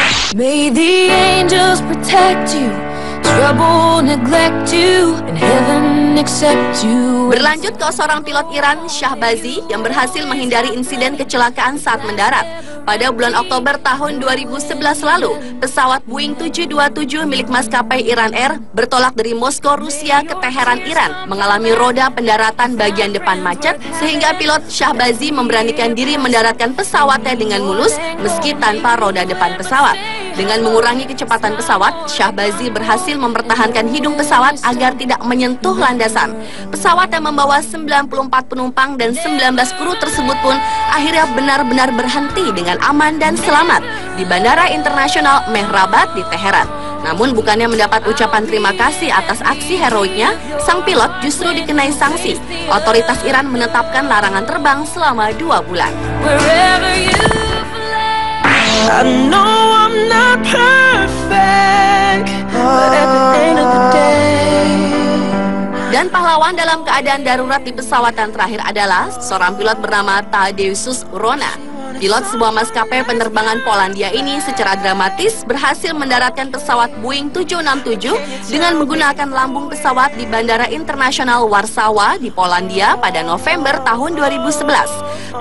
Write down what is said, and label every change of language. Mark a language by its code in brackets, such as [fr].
[en] May the angels protect you, trouble neglect you, and heaven accept you. [id] Berlanjut ke seorang pilot Iran, Shahbazi, yang berhasil menghindari insiden kecelakaan saat mendarat. Pada bulan Oktober tahun 2011 lalu, pesawat Boeing 727 milik maskapai Iran Air bertolak dari Moskow, Rusia ke Teheran, Iran, mengalami roda pendaratan bagian depan macet, sehingga pilot Shahbazi memberanikan diri mendaratkan pesawatnya dengan mulus, meski tanpa roda depan pesawat. Dengan mengurangi kecepatan pesawat, Shahbazi berhasil mempertahankan hidung pesawat agar tidak menyentuh landasan. Pesawat yang membawa 94 penumpang dan 19 kru tersebut pun akhirnya benar-benar berhenti dengan aman dan selamat di Bandara Internasional Mehrabad di Teheran. Namun bukannya mendapat ucapan terima kasih atas aksi heroiknya, sang pilot justru dikenai sanksi. Otoritas Iran menetapkan larangan terbang selama 2 bulan. [en] I know I'm not perfect, but at the end of the day. [id] Dan pahlawan dalam keadaan darurat di pesawat yang terakhir adalah seorang pilot bernama Tadeusz Rona. Pilot sebuah maskapai penerbangan Polandia ini secara dramatis berhasil mendaratkan pesawat Boeing 767 dengan menggunakan lambung pesawat di Bandara Internasional Warsawa di Polandia pada November tahun 2011.